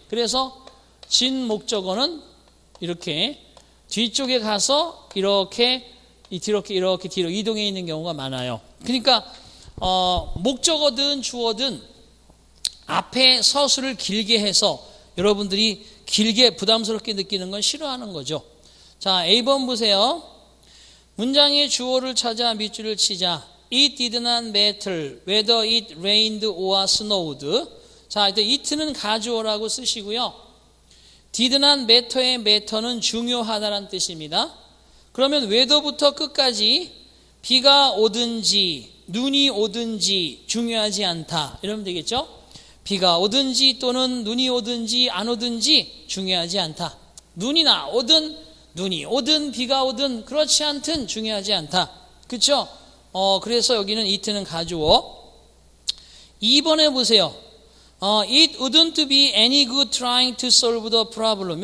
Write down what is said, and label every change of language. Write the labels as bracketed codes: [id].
[ko] 그래서 진 목적어는 이렇게 뒤쪽에 가서 이렇게 이렇게 이렇게 뒤로 이동해 있는 경우가 많아요. 그러니까 목적어든 주어든 앞에 서술을 길게 해서 여러분들이 길게 부담스럽게 느끼는 건 싫어하는 거죠. 자, A번 보세요. 문장의 주어를 찾아 밑줄을 치자. [en] It did not matter whether it rained or snowed. [ko] 자, it는 가주어라고 쓰시고요. [en] Did not matter [ko] 의 matter는 중요하다는 뜻입니다. 그러면 whether부터 끝까지 비가 오든지 눈이 오든지 중요하지 않다. 이러면 되겠죠? 비가 오든지 또는 눈이 오든지 안 오든지 중요하지 않다. 눈이나 오든 눈이 오든 비가 오든 그렇지 않든 중요하지 않다. 그렇죠? 그래서 여기는 it는 가주어. 2번에 보세요. [en] It wouldn't be any good trying to solve the problem.